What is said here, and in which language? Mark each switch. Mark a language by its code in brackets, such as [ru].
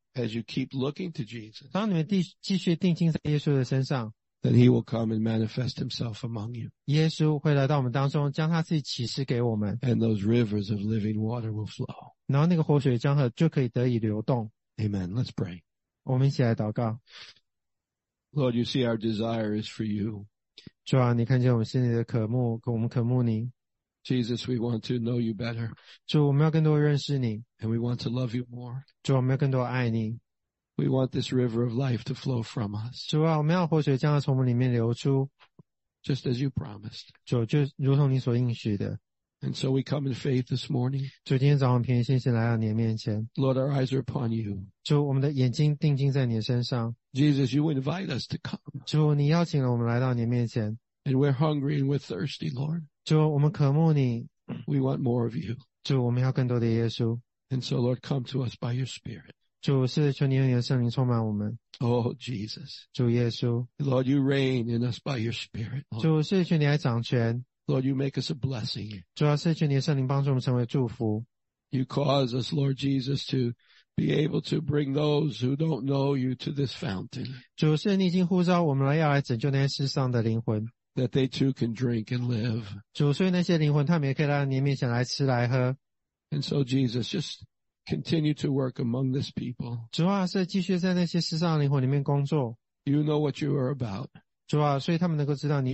[en] as you keep looking to Jesus, [zh] 当你们继续定睛在耶稣的身上, [en] then he will come and manifest himself among you. [zh] 耶稣会来到我们当中, 将他自己启示给我们, [en] and those rivers of living water will flow. [zh] 然后那个活水江河就可以得以流动。 [en] Amen. Let's pray. [zh] 我们一起来祷告。 [en] Lord, you see our desire is for you. [zh] 主啊, 你看见我们心里的渴慕, 我们渴慕你。 [en] Jesus, we want to know you better. [zh] 主, 我们要更多认识你。 [en] And we want to love you more. [zh] 主, 我们要更多爱你。 [en] We want this river of life to flow from us. [zh] 主啊, 我们要活水将要从我们里面流出。 [en] Just as you promised. [zh] 主, 就如同你所应许的。 [en] And so we come in faith this morning. [zh] 主, 今天早上凭信心来到你的面前。 [en] Lord, our eyes are upon you. [zh] 主, 我们的眼睛定睛在你的身上。 [en] Jesus, you invite us to come. [zh] 主, 你邀请了我们来到你的面前。 [en] And we're hungry and we're thirsty, Lord. [zh] 主, 我们渴慕你。 [en] We want more of you. [zh] 主, 我们要更多的耶稣。 [en] And so, Lord, come to us by your Spirit. [zh] 主, 是求你用你的圣灵充满我们。 [en] Oh, Jesus. [zh] 主耶稣。 [en] Lord, you reign in us by your Spirit. [zh] 主, 是求你来掌权。 [en] Lord, you make us a blessing. [zh] 主, 是求你的圣灵帮助我们成为祝福。 [en] You cause us, Lord Jesus, to be able to bring those who don't know you to this fountain. [zh] 主, 是你已经呼召我们来要来拯救那些世上的灵魂。 [en] That they too can drink and live. [zh] 主, 所以那些灵魂他们也可以来到你面前来吃来喝。 [en] And so Jesus, just continue to work among this people. [zh] 主啊, 是继续在那些世上灵魂里面工作。 [en] You know what you are about. [zh] 主啊, 所以他们能够知道你。